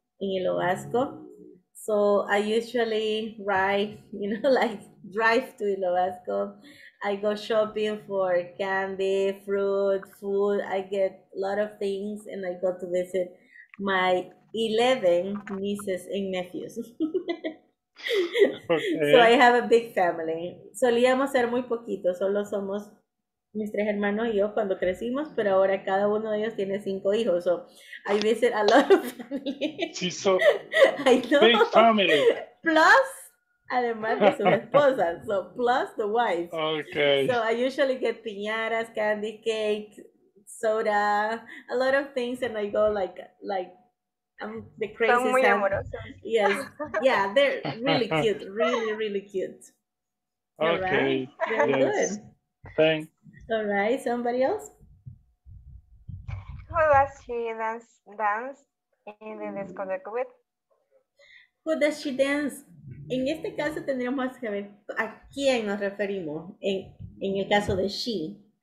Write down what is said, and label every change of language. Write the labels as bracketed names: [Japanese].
[English] In Ilovasco, so I usually ride, you know, like drive to Ilovasco. I go shopping for candy, fruit, food. I get a lot of things, and I go to visit my 11 nieces and nephews. Okay. So I have a big family. [Spanish] Solíamos ser muy poquitos, solo somos mis tres hermanos y yo cuando crecimos, pero ahora cada uno de ellos tiene 5 hijos. [English] So, I visit a lot of family. She's so big family. Plus, [Spanish] además de su esposa. [English] So, plus the wife. Okay. So, I usually get piñatas, candy cake, soda, a lot of things, and I go like I'm the crazy [Spanish] son. Son muy amorosos. [English] Yes. Yeah, they're really cute. Really, really cute. Okay. Right? Yes. Thanks. All right, somebody else? Who does she dance in the discotheque with? Who does she dance? [Spanish] En este caso tendríamos que ver a quién nos referimos en el caso de she.